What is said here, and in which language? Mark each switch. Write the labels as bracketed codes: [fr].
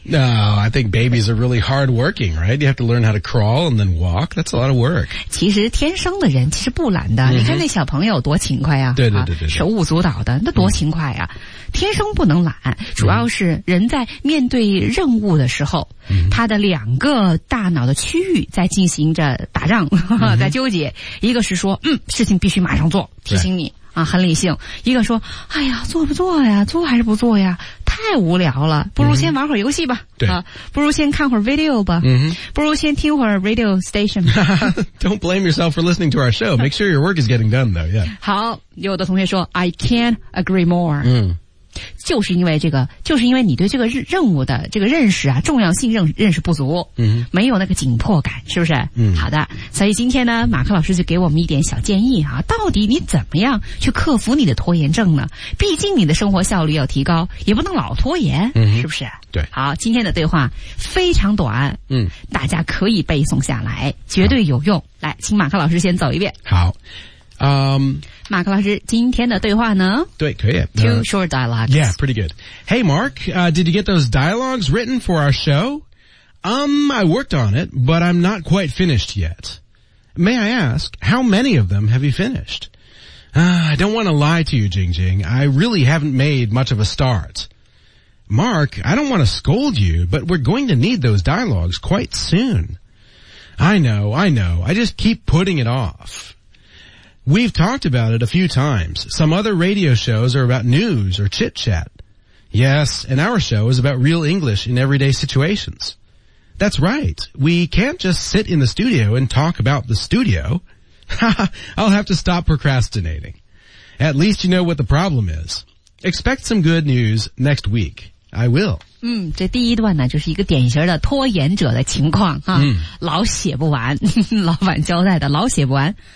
[en] No, I think babies are really hardworking, right? You have to learn how to crawl and then walk. That's a lot of work. [zh] 其实天生的人其实不懒的。 Mm-hmm. 你看那小朋友多勤快啊。对。手舞足蹈的那多勤快啊。天生不能懒主要是人在面对任务的时候、 mm-hmm. 他的两个大脑的区域在进行着打仗、mm-hmm. 在纠结。一个是说事情必须马上做提醒你、 [en] right. [zh] 啊很理性。一个说哎呀做不做呀做还是不做呀太无聊了不如先玩会儿游戏吧、 mm-hmm. 啊、不如先看会儿 video 吧、 mm-hmm. 不如先听会儿 radio station 吧 [en] Don't blame yourself for listening to our show. Make sure your work is getting done though.、Yeah. [zh] 好有的同学说 [en] I can't agree more、 mm-hmm. [zh] 就是因为这个就是因为你对这个任务的这个认识啊重要性认识不足、 mm-hmm. 没有那个紧迫感是不是、 mm-hmm. 好的所以今天呢马克老师就给我们一点小建议啊到底你怎么样去克服你的拖延症呢毕竟你的生活效率要提高也不能老拖延、 mm-hmm. 是不是对好今天的对话非常短嗯大家可以背诵下来绝对有用来请马克老师先走一遍好马克老师今天的对话呢对可以 [en] Two short dialogues Yeah pretty good Hey Mark did you get those dialogues written for our show? I worked on it but I'm not quite finished yet May I ask how many of them have you finished? I don't want to lie to you Jing Jing I really haven't made much of a start Mark I don't want to scold you but we're going to need those dialogues quite soon I know I just keep putting it offWe've talked about it a few times. Some other radio shows are about news or chit-chat. Yes, and our show is about real English in everyday situations. That's right. We can't just sit in the studio and talk about the studio. Haha, I'll have to stop procrastinating. At least you know what the problem is. Expect some good news next week. I will. [zh] 这第一段呢就是一个典型的拖延者的情况啊、老写不完老板交代的老写不完。